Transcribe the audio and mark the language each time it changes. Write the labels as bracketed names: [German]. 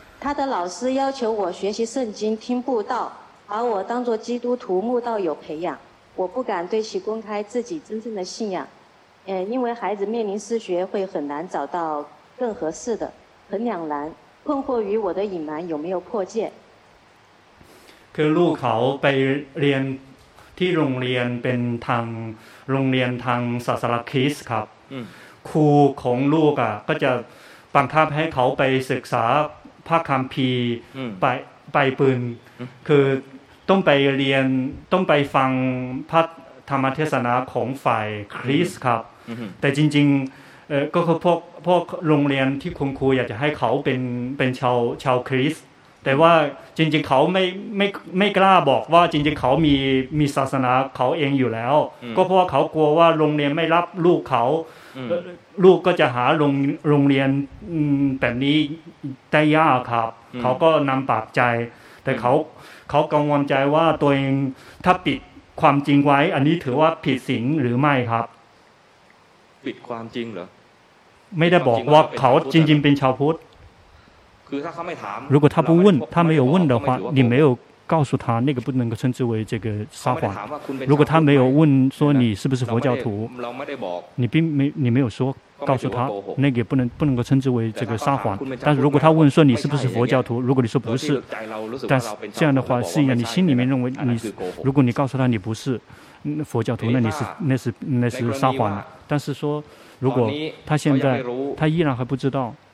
[Chinese] 他的老师要求我学习圣经听布道把我当作基督徒慕道友培养我不敢对其公开自己真正的信仰因为孩子面临失学会很难找到更合适的，很两难，困惑于我的隐瞒有没有破戒。 [Thai] คือลูกเขาไปเรียนที่โรงเรียนเป็นทางโรงเรียนทางศาสนาคริสต์ครับครูของลูกอ่ะก็จะบังคับให้เขาไปศึกษาพระคัมภีร์ ไปปืนคือต้องไปเรียนต้องไปฟังพระธรรมเทศนาของฝ่ายคริสต์ครับแต่จริงๆก็พวกโรงเรียนที่คุณครูอยากจะให้เขาเป็นชาวคริสต์แต่ว่าจริงๆเขาไม่กล้าบอกว่าจริงๆเขามีศาสนาเขาเองอยู่แล้วก็เพราะว่าเขากลัวว่าโรงเรียนไม่รับลูกเขา ลูกก็จะหาโรงเรียนแบบนี้ได้ยากครับเขาก็นำปากใจแต่เขากังวลใจว่าตัวเองถ้าปิดความจริงไว้อันนี้ถือว่าผิดศีลหรือไม่ครับ ปิดความจริงเหรอ ไม่ได้บอกว่าเขาจริงๆเป็นชาวพุทธ คือถ้าเขาไม่ถาม [Chinese] 如果他不问他没有问的话你没有告诉他那个不能够称之为这个撒谎如果他没有问说你是不是佛教徒你没有说告诉他那个不能够称之为这个撒谎但是如果他问说你是不是佛教徒如果你说不是但是这样的话是一样你心里面认为你如果你告诉他你不是佛教徒那是撒谎但是说如果他现在他依然还不知道